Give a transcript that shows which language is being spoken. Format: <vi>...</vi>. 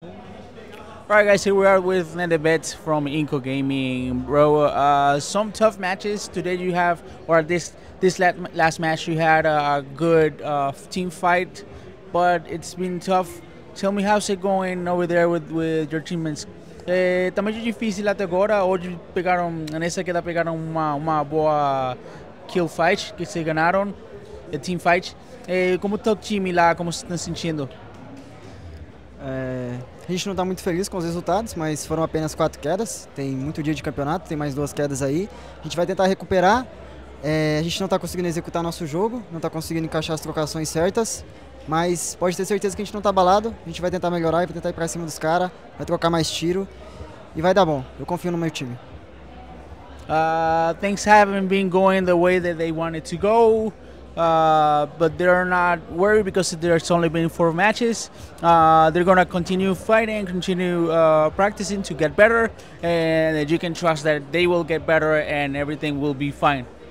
<en>Alright guys, here we are with NENEBETE from iNCO Gaming. Bro, some tough matches today you have, or this last match you had a good team fight, but it's been tough. Tell me, how's it going over there with your teammates?</en> <pt>Está muito difícil até agora. Hoje pegaram, nessa queda pegaram uma boa kill fight, que se ganaram, a team fight. Como está o time lá, como se está sentindo? A gente não está muito feliz com os resultados, mas foram apenas 4 quedas. Tem muito dia de campeonato, tem mais 2 quedas aí. A gente vai tentar recuperar. A gente não está conseguindo executar nosso jogo, não está conseguindo encaixar as trocações certas. Mas pode ter certeza que a gente não está abalado. A gente vai tentar melhorar, vai tentar ir para cima dos caras, vai trocar mais tiro. E vai dar bom. Eu confio no meu time.</pt> <en>Things haven't been going the way that they wanted to go. But they're not worried because there's only been 4 matches. They're gonna continue fighting, continue practicing to get better, and you can trust that they will get better and everything will be fine.</en>